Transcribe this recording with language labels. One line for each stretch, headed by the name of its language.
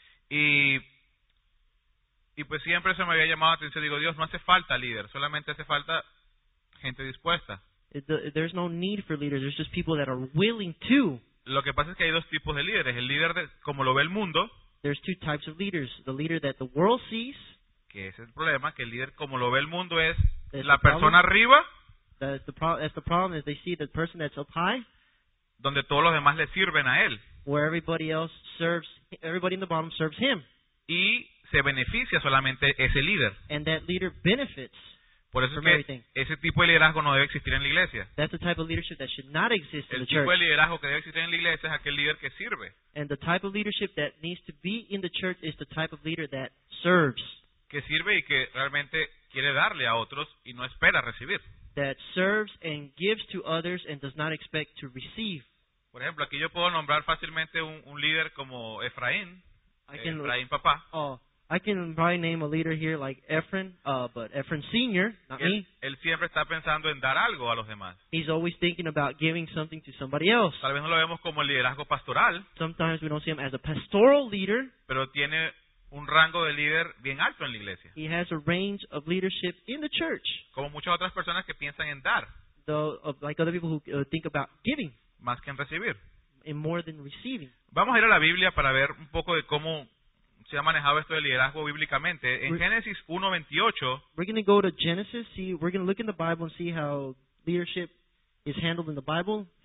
Spanish: Y pues siempre eso me había llamado la atención. Digo, Dios, no hace falta líder, solamente hace falta gente dispuesta.
English: There's no need for leaders. There's just people that are willing to.
Spanish: Lo que pasa es que hay dos tipos de líderes. El líder de, como lo ve el mundo.
English: There's two types of leaders. The leader that the world sees.
Spanish: Que ese es el problema. Que el líder como lo ve el mundo es la persona arriba.
English: That's the problem. Is they see the person that's up high.
Spanish: Donde todos los demás le sirven a él.
English: Where everybody else serves. Everybody in the bottom serves him.
Spanish: Y se beneficia solamente ese líder.
English: And that leader benefits.
Spanish: Por eso es que ese tipo de liderazgo no debe existir en la iglesia.
English: That's the type of leadership that should not exist in the church.
Spanish: El tipo de liderazgo que debe existir en la iglesia es aquel líder que sirve.
English: And the type of leadership that needs to be in the church is the type of leader that serves.
Spanish: Que sirve y que realmente quiere darle a otros y no espera recibir.
English: That serves and gives to others and does not expect to receive.
Spanish: Por ejemplo, aquí yo puedo nombrar fácilmente un líder como Efraín. Efraín papá.
English: I can probably name a leader here like Efren, but Efren Senior, not me.
Spanish: Él siempre está pensando en dar algo a los demás.
English: He's always thinking about giving something to somebody else.
Spanish: Tal vez no lo vemos como el liderazgo pastoral.
English: Sometimes we don't see him as a pastoral leader.
Spanish: Pero tiene un rango de líder bien alto en la iglesia.
English: He has a range of leadership in the church.
Spanish: Como muchas otras personas que piensan en dar.
English: Like other people who think about giving.
Spanish: Más que en recibir.
English: And more than receiving.
Spanish: Vamos a ir a la Biblia para ver un poco de cómo se ha manejado esto del liderazgo bíblicamente. En Génesis 1:28.
English: We're going to go to Genesis. See, we're going to look in the Bible and see how leadership is handled in the Bible.